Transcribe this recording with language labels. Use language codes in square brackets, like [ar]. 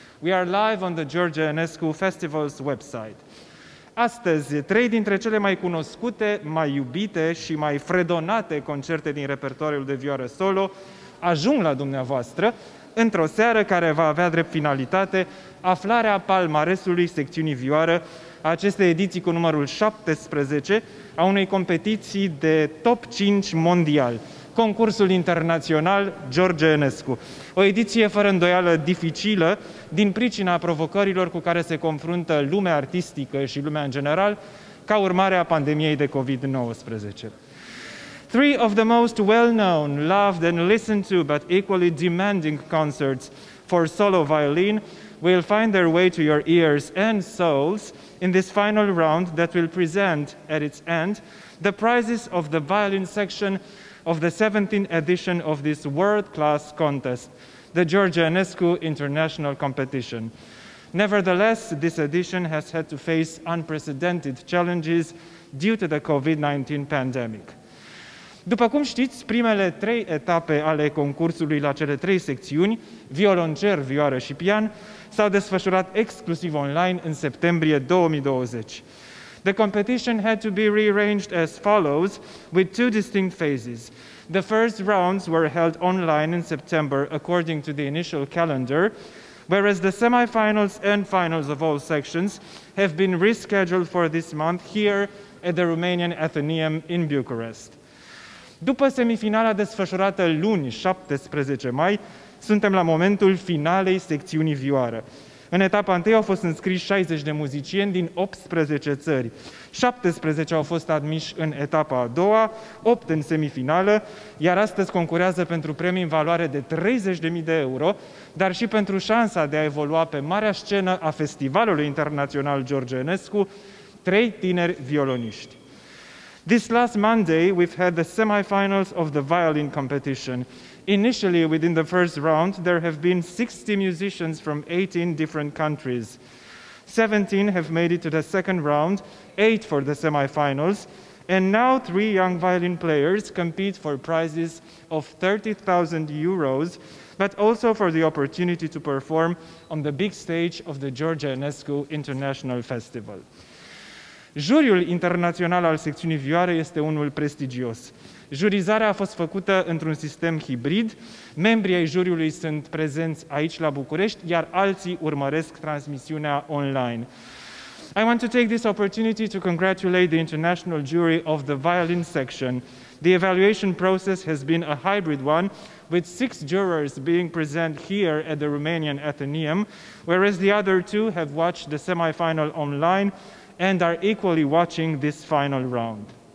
[en] We are live on the George Enescu Festival's website. [ro] Astăzi, trei dintre cele mai cunoscute, mai iubite și mai fredonate concerte din repertoriul de vioară solo ajung la dumneavoastră într-o seară care va avea drept finalitate aflarea palmaresului secțiunii vioară a acestei ediții cu numărul 17 a unei competiții de top 5 mondial, concursul internațional George Enescu. O ediție fără îndoială dificilă din pricina provocărilor cu care se confruntă lumea artistică și lumea în general ca urmare a pandemiei de COVID-19. [en] Three of the most well-known, loved and listened to, but equally demanding concerts for solo violin will find their way to your ears and souls in this final round that will present, at its end, the prizes of the violin section of the 17th edition of this world-class contest, the George Enescu International Competition. Nevertheless, this edition has had to face unprecedented challenges due to the COVID-19 pandemic. [ro] După cum știți, primele trei etape ale concursului la cele trei secțiuni, violoncer, vioară și pian, s-au desfășurat exclusiv online în septembrie 2020. [en] The competition had to be rearranged as follows, with two distinct phases. The first rounds were held online in September, according to the initial calendar, whereas the semifinals and finals of all sections have been rescheduled for this month here at the Romanian Athenaeum in Bucharest. [ro] După semifinala desfășurată luni, 17 mai, suntem la momentul finalei secțiunii vioară. În etapa întâi au fost înscriși 60 de muzicieni din 18 țări. 17 au fost admiși în etapa a doua, 8 în semifinală, iar astăzi concurează pentru premii în valoare de 30.000 de euro, dar și pentru șansa de a evolua pe marea scenă a Festivalului Internațional George Enescu, trei tineri violoniști. [en] This last Monday, we've had the semifinals of the violin competition. Initially, within the first round, there have been 60 musicians from 18 different countries. 17 have made it to the second round, 8 for the semifinals, and now three young violin players compete for prizes of 30,000 euros, but also for the opportunity to perform on the big stage of the George Enescu International Festival. [ro] Juriul internațional al secțiunii vioară este unul prestigios. Jurizarea a fost făcută într-un sistem hibrid, membrii ai juriului sunt prezenți aici la București, iar alții urmăresc transmisiunea online. [en] I want to take this opportunity to congratulate the international jury of the violin section. The evaluation process has been a hybrid one, with six jurors being present here at the Romanian Athenaeum, whereas the other two have watched the semifinal online and are equally watching this final round.